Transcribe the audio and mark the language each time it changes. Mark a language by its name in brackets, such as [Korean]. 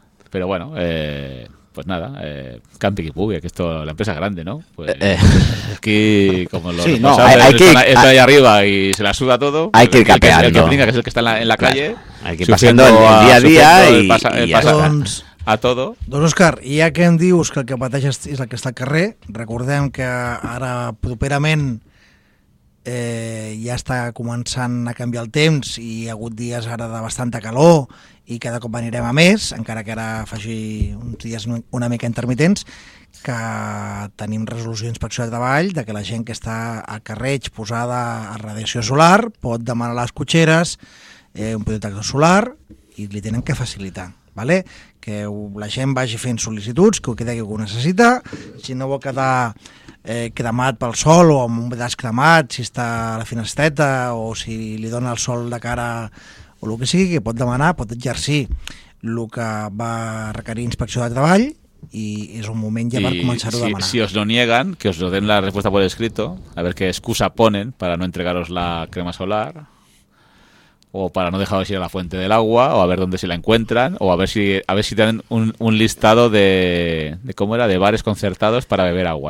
[Spanish] Pero bueno, pues nada, [Catalan] campi que pugue, [Spanish] que esto, la empresa es grande, ¿no? Pues aquí, como lo está ahí arriba y se la suda todo. Hay que ir capeando. El que pringa, que es el que está en la calle. Hay que ir pasando el día a día a todo. [Catalan] Don Òscar, ja que em dius que el que pateix és el que està al carrer, recordem que ara properament... ja està començant a canviar el temps i hi ha hagut dies ara de bastanta calor i cada cop anirem a més, encara que ara faci uns dies una mica intermitents, que tenim resolució d'inspecció de treball de que la gent que està al carrer exposada a radiació solar pot demanar a les cotxeres un protector solar i li tenen que facilitar. ¿Vale? Que la gent vagi fent sol·licituds, que ho necessita, si no vol quedar cremat pel sol o amb un braç cremat, si està a la finestreta o si li dona el sol de cara o el que sigui, que pot demanar, pot exercir el que va requerir inspecció de treball i és un moment ja per començar-ho a demanar. [Spanish] Si os lo nieguen, que os den la respuesta por escrito, a ver qué excusa ponen para no entregaros la crema solar o para no dejaros ir a la fuente del agua o a ver dónde se la encuentran o a ver si tienen un listado de cómo era, de bares concertados para beber agua,